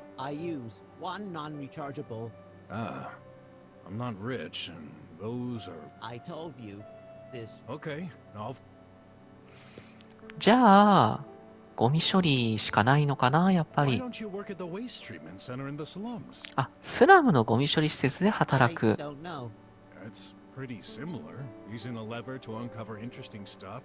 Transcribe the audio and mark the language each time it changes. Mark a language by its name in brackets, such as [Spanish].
[English] I use one non-rechargeable. I'm not rich, and those are. I told you this. Okay, I'll. [Japanese] じゃあ、ゴミ処理しかないのかな、やっぱり。 [English] Why don't you work at the waste treatment center in the slums? [Japanese] あ、スラムのゴミ処理施設で働く。 [English] I don't know. It's pretty similar. Using a lever to uncover interesting stuff.